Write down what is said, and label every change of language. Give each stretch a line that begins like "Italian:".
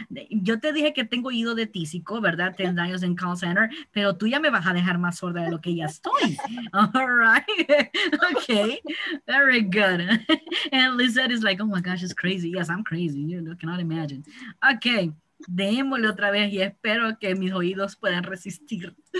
Spanish: Yo te dije que tengo oído de tísico, ¿verdad? 10 años en call center. Pero tú ya me vas a dejar más sorda de lo que ya estoy.
English: All right. Okay. Very good. And Lizette is like, oh my gosh, it's crazy. Yes, I'm crazy. You cannot imagine. Okay.
Spanish: Démosle otra vez y espero que mis oídos puedan resistir.